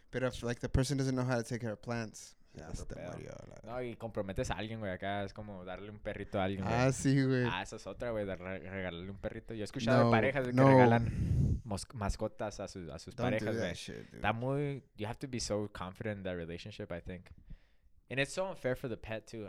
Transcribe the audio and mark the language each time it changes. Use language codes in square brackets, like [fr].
[en] Pero, like, the person doesn't know how to take care of plants. [es] Ya, no, y comprometes a alguien, güey. Acá es como darle un perrito a alguien, güey. Ah, sí, güey. Ah, esa es otra, güey, de regalarle un perrito. Yo he escuchado de parejas que regalan mascotas a sus [en] don't [es] parejas, [en] do that [es] güey. [en] Shit, dude. [es] Está muy... [en] You have to be so confident in that relationship, I think. And it's so unfair for the pet, too.